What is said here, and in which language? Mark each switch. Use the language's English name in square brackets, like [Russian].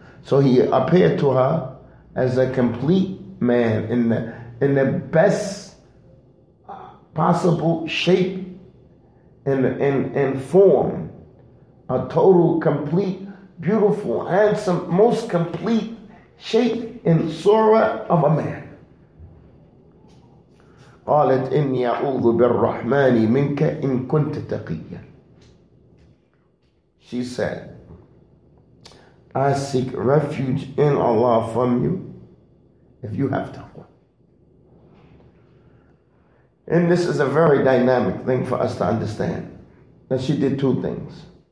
[English] So he appeared to her as a complete man in the best possible shape and form. A total, complete, beautiful, handsome, most complete shape and surah of a man. [Arabic] قالت إني أعوذ بالرحمن منك إن كنت تقيا. [English] She said, I seek refuge in Allah from you if you have taqwa. And this is a very dynamic thing for us to understand. That she did two things.